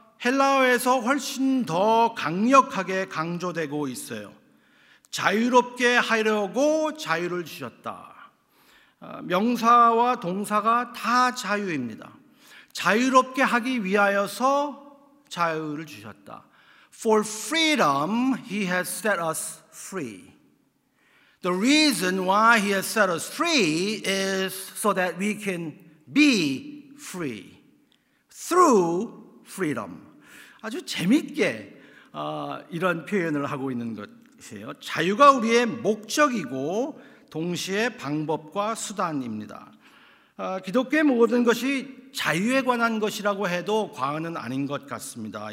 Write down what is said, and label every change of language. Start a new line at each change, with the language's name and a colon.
Korean: 헬라어에서 훨씬 더 강력하게 강조되고 있어요. 자유롭게 하려고 자유를 주셨다. 명사와 동사가 다 자유입니다. 자유롭게 하기 위하여서 자유를 주셨다.
English: For freedom, he has set us free. The reason why he has set us free is so that we can be free through freedom.
Korean: 아주 재밌게 이런 표현을 하고 있는 것이에요. 자유가 우리의 목적이고 동시에 방법과 수단입니다. 기독교의 모든 것이 자유에 관한 것이라고 해도 과언은 아닌 것 같습니다.